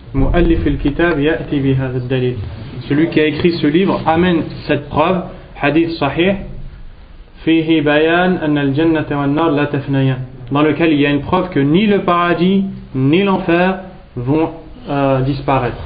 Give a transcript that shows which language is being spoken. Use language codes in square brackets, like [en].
[ar] مؤلف الكتاب يأتي بهذا الدليل. [fr] Celui qui a écrit ce livre amène cette preuve. Hadith صحيح. [ar] فيه بيان أن الجنة والنار لا تفنيان. [fr] Dans lequel il y a une preuve que ni le paradis ni l'enfer vont disparaître.